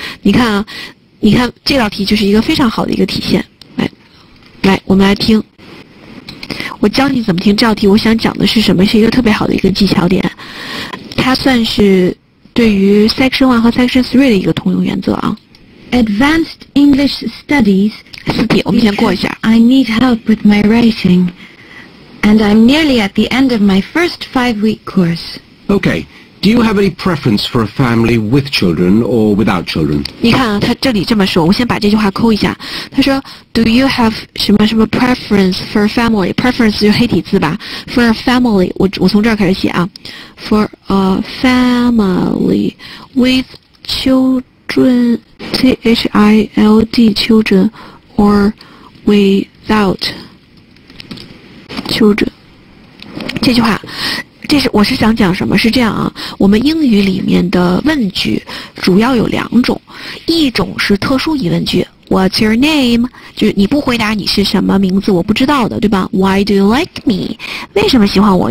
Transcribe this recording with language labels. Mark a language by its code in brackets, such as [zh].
[zh] 你看啊，你看这道题就是一个非常好的一个体现。来，我们来听，我教你怎么听这道题。我想讲的是什么？是一个特别好的一个技巧点，它算是对于 section one 和 section three 的一个通用原则啊。 [en] Advanced English studies. [zh] 四题，我们先过一下。 [en] I need help with my writing, and I'm nearly at the end of my first five-week course. Okay. Do you have any preference for a family with children or without children? [zh] 你看啊，他这里这么说，我先把这句话扣一下。他说 [en] ，Do you have [zh] 什么什么 [en] preference for a family? [zh] Preference 就黑体字吧。 [en] For a family, [zh] 我从这儿开始写啊。 [en] For a family with children. Child, children, or without children. [zh] 这句话，这是我是想讲什么？是这样啊，我们英语里面的问句主要有两种，一种是特殊疑问句 ， [en] What's your name？ [zh] 就是你不回答你是什么名字，我不知道的，对吧 ？ [en] Why do you like me？ [zh] 为什么喜欢我？